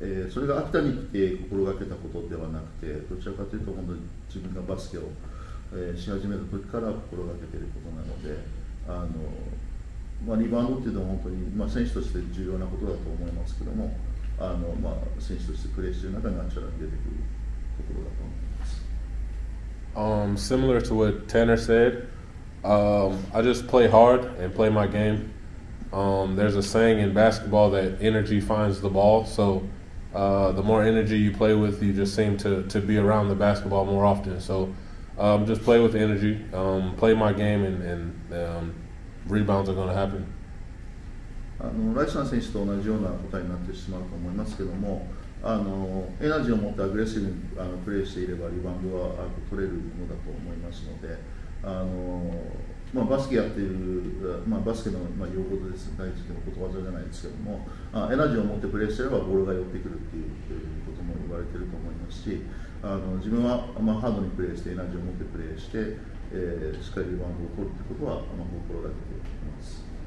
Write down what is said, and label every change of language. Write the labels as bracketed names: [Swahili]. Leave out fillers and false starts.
[Japanese] それが秋田に来て心がけたことではなくて、どちらかというと本当に自分がバスケを、し始めた時から心がけていることなので、リバウンドというのは本当に、選手として重要なことだと思いますけども、選手としてプレーしている中にナチュラルに出てくるところだと思います。 [English] Similar to what Tanner said, I just play hard and play my game. There's a saying in basketball that energy finds the ball, soThe more energy you play with, you just seem to be around the basketball more often. So just play with energy, play my game, and rebounds are going to happen. [Japanese] ライスナー選手と同じような答えになってしまうと思いますけども、エナジーを持ってアグレッシブにプレーしていればリバウンドは取れるのだと思いますので、バスケやっている、バスケの用語です、大事なことわざじゃないですけども、エナジーを持ってプレーしていればボールが寄ってくるということも言われていると思いますし、自分は、ハードにプレーして、エナジーを持ってプレーして、しっかりリバウンドを取るということは、心がけています。